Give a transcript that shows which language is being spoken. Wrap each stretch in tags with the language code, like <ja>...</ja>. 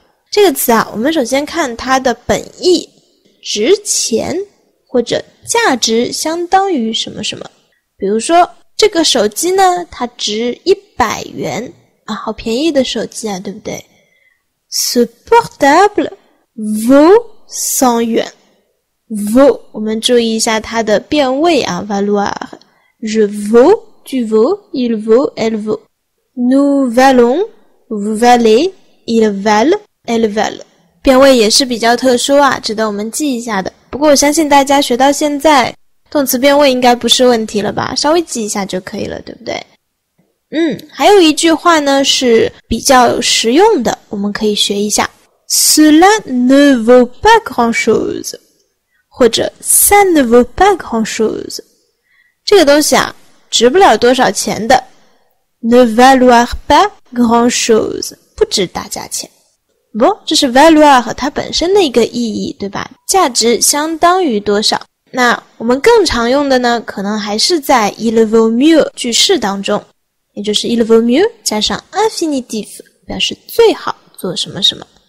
<zh>这个词啊，我们首先看它的本意，值钱或者价值相当于什么什么。比如说这个手机呢它值100元啊，好便宜的手机啊，对不对？</zh> <fr>Ce portable vaut 100元。 vaut</fr> <zh>我们注意一下它的变位啊，</zh> <fr>valoir， je vaut, tu vaut, il vaut, elle vaut, nous valons, vous valez, ils valent, elles valent。</fr> <zh>变位也是比较特殊啊，值得我们记一下的。不过我相信大家学到现在动词变位应该不是问题了吧，稍微记一下就可以了，对不对？还有一句话呢是比较实用的，我们可以学一下。</zh> <fr>Cela ne vaut pas grand chose，</fr> <zh>或者</zh> <fr>Ça ne vaut pas grand chose。</fr> <zh>这个东西啊，值不了多少钱的。</zh> <fr>Ne valoir pas grand chose，</fr> <zh>不值大价钱。不，这是 valoir 它本身的一个意义，对吧？价值相当于多少？那我们更常用的呢，可能还是在</zh> <fr>il vaut mieux</fr> <zh>句式当中，也就是 il vaut mieux 加上 infinitif 表示最好做什么什么。</zh>